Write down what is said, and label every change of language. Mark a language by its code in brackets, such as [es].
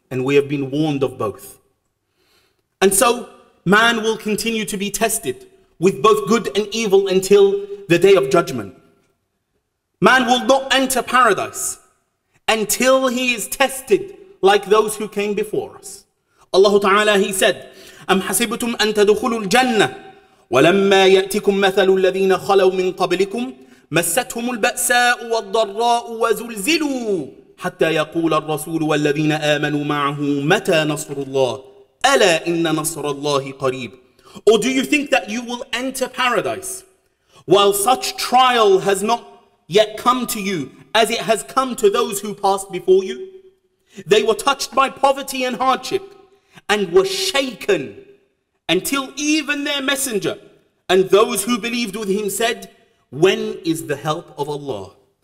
[en] And we have been warned of both. And so man will continue to be tested with both good and evil until the day of judgment. Man will not enter paradise until he is tested like those who came before us. Allah Ta'ala, he said, [ar] أَمْ حَسِبْتُمْ أَن تَدُخُلُوا الْجَنَّةِ وَلَمَّا يَأْتِكُمْ مَثَلُ الَّذِينَ خَلَوْا مِنْ قَبْلِكُمْ مَسَّتْهُمُ الْبَأْسَاءُ وَالضَّرَّاءُ وَزُلْزِلُوا حتى يقول الرسول والذين آمنوا معه متى نصر الله ألا إن نصر الله قريب. [en] Or do you think that you will enter paradise while such trial has not yet come to you as it has come to those who passed before you? They were touched by poverty and hardship and were shaken until even their messenger and those who believed with him said, "When is the help of Allah?"